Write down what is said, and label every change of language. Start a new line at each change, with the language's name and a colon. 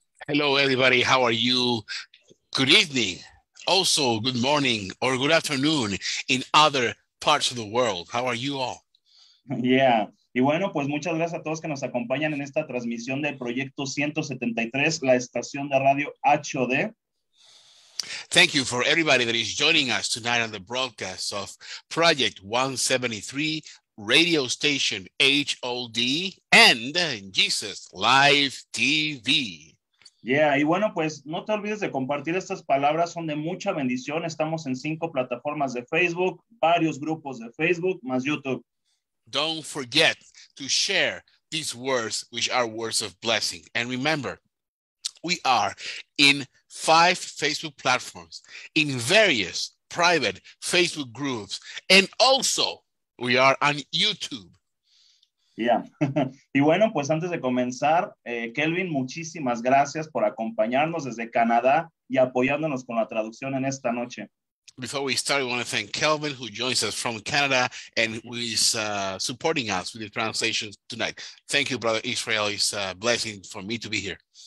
English: Hello, everybody. How are you? Good evening. Also, good morning or good afternoon in other parts of the world. How are you all? Yeah.
Spanish: Y bueno, pues muchas gracias a todos que nos acompañan en esta transmisión del Proyecto 173, la estación de radio HOD.
English: Thank you for everybody that is joining us tonight on the broadcast of Project 173, radio station HOD, and Jesus Live TV.
Spanish: Yeah, y bueno, pues no te olvides de compartir estas palabras, son de mucha bendición. Estamos en 5 plataformas de Facebook, varios grupos de Facebook, más YouTube.
English: Don't forget to share these words, which are words of blessing. And remember, we are in 5 Facebook platforms, in various private Facebook groups, and also we are on YouTube. Yeah.
Spanish: Y bueno, pues antes de comenzar, Kelvin, muchísimas gracias por acompañarnos desde Canadá y apoyándonos con la traducción en esta noche.
English: Before we start, we want to thank Kelvin, who joins us from Canada and who is supporting us with the translation tonight. Thank you, Brother Israel. It's a blessing for me to be here.